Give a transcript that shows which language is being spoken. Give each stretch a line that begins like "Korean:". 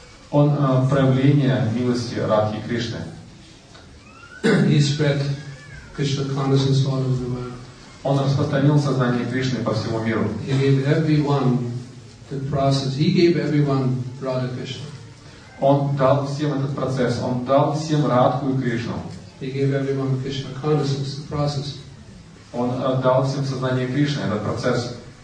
Russian: Он проявление милости Радхи Кришны.
English: He spread Krishna consciousness all over the world.
Russian: Он распространил сознание Кришны по всему миру.
English: He gave everyone the process. He gave everyone Radha Krishna.
Russian: Он дал всем этот процесс. Он дал всем Радху и Кришну.
English: He gave everyone Krishna consciousness, the process.
Russian: Он дал всем сознание Кришны, этот процесс.